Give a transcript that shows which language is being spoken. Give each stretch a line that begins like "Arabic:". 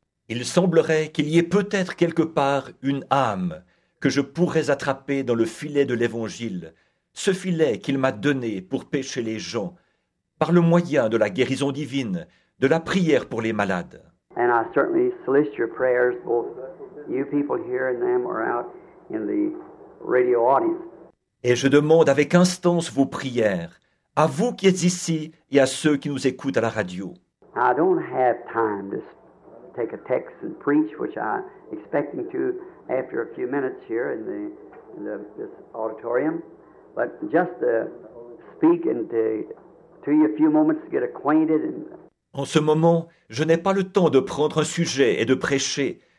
French: Il semblerait qu'il y ait peut-être quelque part une âme que je pourrais attraper dans le filet de l'Évangile, ce filet qu'il m'a donné pour pêcher les gens, par le moyen de la guérison divine, de la prière pour les malades.
English: And I certainly solicit your prayers, both you people here and them or out in the radio audience.
French: Et je demande avec instance vos prières, à vous qui êtes ici et à ceux qui nous écoutent à la radio.
English: I don't have time to take a text and preach, which I'm expecting to after a few minutes here in this auditorium, but just to speak and to you a few moments to get acquainted and.
French: En ce moment, je n'ai pas le temps de prendre un sujet et de prêcher.